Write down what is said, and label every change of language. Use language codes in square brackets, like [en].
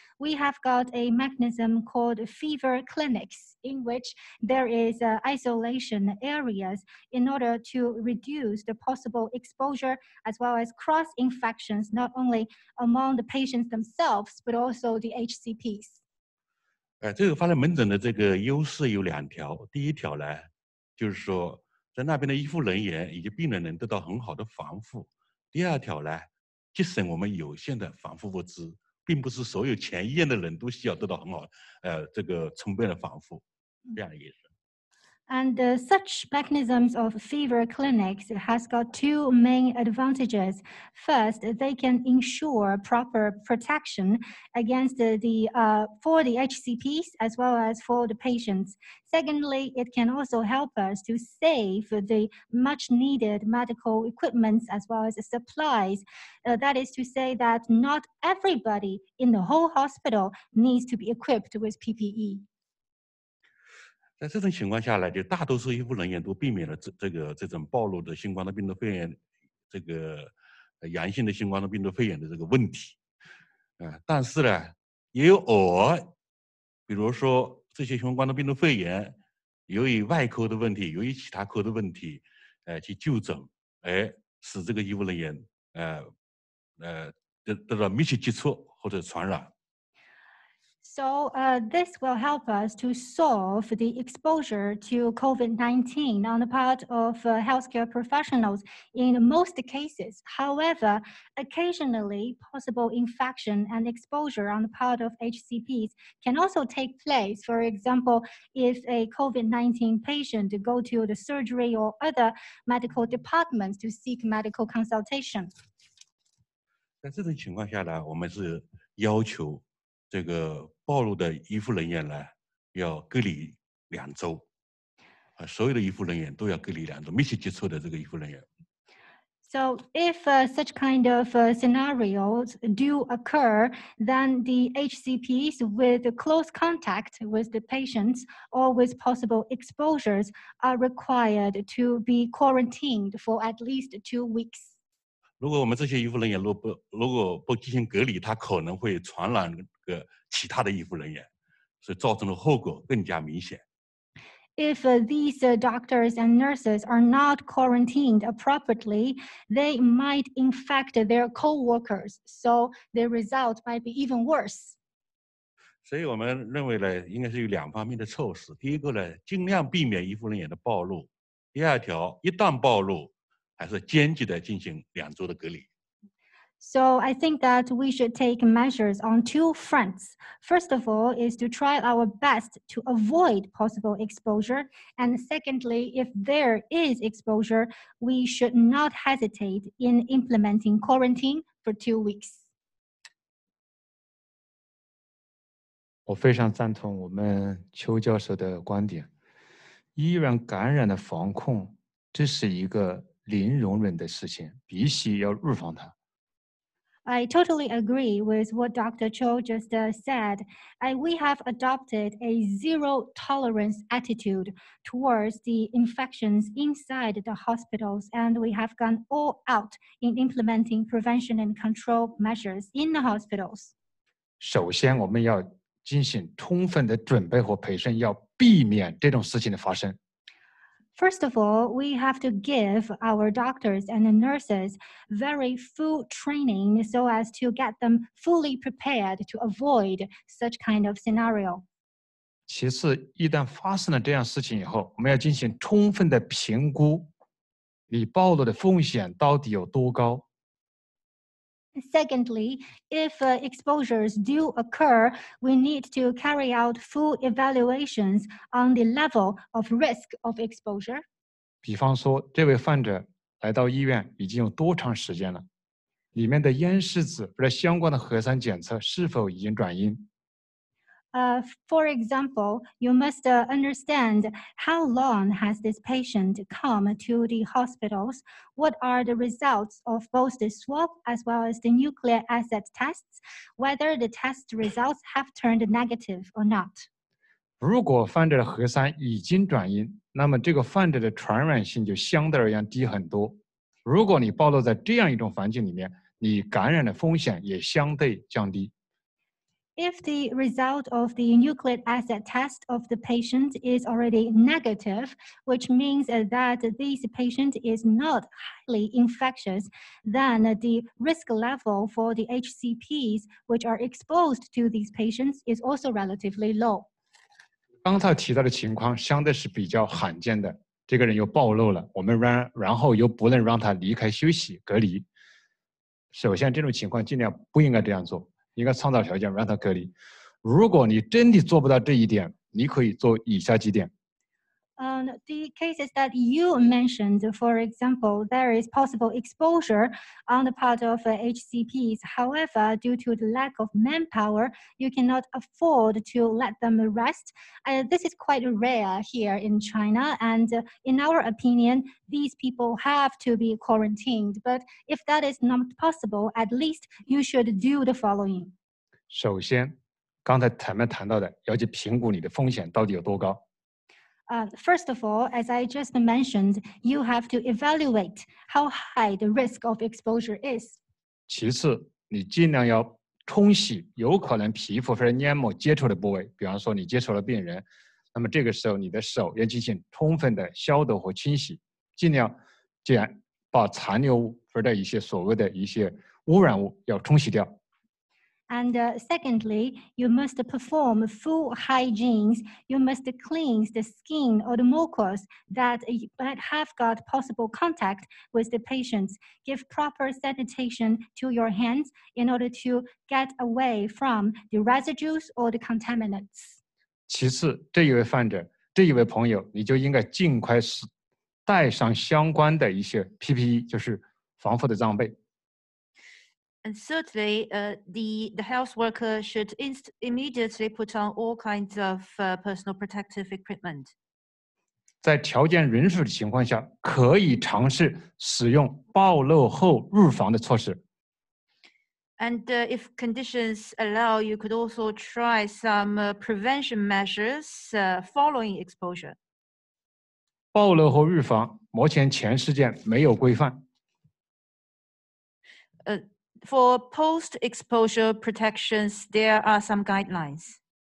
[en] We have got a mechanism called fever clinics, in which there is isolation areas in order to reduce the possible exposure as well as cross infections, not only among the patients themselves, but also the HCPs. [zh] 这个发热门诊的这个优势有两条。第一条呢，就是说在那边的医护人员以及病人能得到很好的防护。第二条呢，节省我们有限的防护物资，并不是所有前医院的人都需要得到很好这个充分的防护，这样的意思。 [en] And such mechanisms of fever clinics has got two main advantages. First, they can ensure proper protection against for the HCPs as well as for the patients. Secondly, it can also help us to save the much needed medical equipment as well as supplies. That is to say that not everybody in the whole hospital needs to be equipped with PPE. [zh] 在这种情况下来，就大多数医护人员都避免了这种暴露的新冠的病毒肺炎，这个阳性的新冠的病毒肺炎的这个问题。但是呢，也有偶尔，比如说这些新冠的病毒肺炎，由于外科的问题，由于其他科的问题，去就诊，使这个医护人员得到密切接触或者传染。 [en] So this will help us to solve the exposure to COVID-19 on the part of healthcare professionals in most cases. However, occasionally possible infection and exposure on the part of HCPs can also take place. For example, if a COVID-19 patient go to the surgery or other medical departments to seek medical consultation. [zh] 在这种情况下呢，我们是要求这个暴露的医护人员呢，要隔离两周，所有的医护人员都要隔离两周，密切接触的这个医护人员。 [en] So if such kind of scenarios do occur, then the HCPs with close contact with the patients or with possible exposures are required to be quarantined for at least 2 weeks. [zh] 如果我们这些医护人员如果不进行隔离，他可能会传染个其他的医护人员，所以造成的后果更加明显。 [en] If these doctors and nurses are not quarantined appropriately, they might infect their co-workers, so the result might be even worse. [zh] 所以我们认为呢，应该是有两方面的措施。第一个呢，尽量避免医护人员的暴露；第二条，一旦暴露，还是坚决的进行两周的隔离。 [en] So I think that we should take measures on two fronts. First of all, is to try our best to avoid possible exposure. And secondly, if there is exposure, we should not hesitate in implementing quarantine for 2 weeks. [zh] 我非常赞同我们邱教授的观点。医院感染的防控，这是一个零容忍的事情，必须要预防它。 [en] I totally agree with what Dr. Cho just said. We have adopted a zero tolerance attitude towards the infections inside the hospitals, and we have gone all out in implementing prevention and control measures in the hospitals. [zh] 首先，我们要进行充分的准备和培训，要避免这种事情的发生。 [en] First of all, we have to give our doctors and nurses very full training so as to get them fully prepared to avoid such kind of scenario. [zh] 其次，一旦发生了这样事情以后，我们要进行充分的评估，你暴露的风险到底有多高。 [en] Secondly, if exposures do occur, we need to carry out full evaluations on the level of risk of exposure. [zh] 比方说，这位患者来到医院已经有多长时间了？里面的咽拭子或者相关的核酸检测是否已经转阴？ [en] For example, you must understand how long has this patient come to the hospitals? What are the results of both the swab as well as the nucleic acid tests? Whether the test results have turned negative or not? [zh] 如果患者的核酸已经转阴，那么这个患者的传染性就相对而言低很多。如果你暴露在这样一种环境里面，你感染的风险也相对降低。 [en] If the result of the nucleic acid test of the patient is already negative, which means that this patient is not highly infectious, then the risk level for the HCPs which are exposed to these patients is also relatively low. [zh] 刚才提到的情况相对是比较罕见的，这个人又暴露了，我们然后又不能让他离开休息隔离。首先，这种情况尽量不应该这样做，应该创造条件让他隔离。如果你真的做不到这一点，你可以做以下几点。 [en] The cases that you mentioned, for example, there is possible exposure on the part of HCPs. However, due to the lack of manpower, you cannot afford to let them rest. This is quite rare here in China. And in our opinion, these people have to be quarantined. But if that is not possible, at least you should do the following. [zh] 首先，刚才前面谈到的，要去评估你的风险到底有多高。 [en] First of all, as I just mentioned, you have to evaluate how high the risk of exposure is. [zh] 其次，你尽量要冲洗有可能皮肤或者黏膜接触的部位，比方说你接触了病人，那么这个时候你的手要进行充分的消毒和清洗，尽量减把残留物或者一些所谓的一些污染物要冲洗掉。 [en] And secondly, you must perform full hygiene. You must cleanse the skin or the mucus that might have got possible contact with the patients. Give proper sanitation to your hands in order to get away from the residues or the contaminants. [zh] 其次，这一位患者，这一位朋友，你就应该尽快带上相关的一些 PPE， 就是防护的装备。 [en] And certainly, the health worker should immediately put on all kinds of personal protective equipment. [zh] 在条件允许的情况下，可以尝试使用暴露后入房的措施。 [en] And if conditions allow, you could also try some prevention measures following exposure. [zh] 暴露后入房，目前全世界没有规范。 [en] For post-exposure protections, there are some guidelines.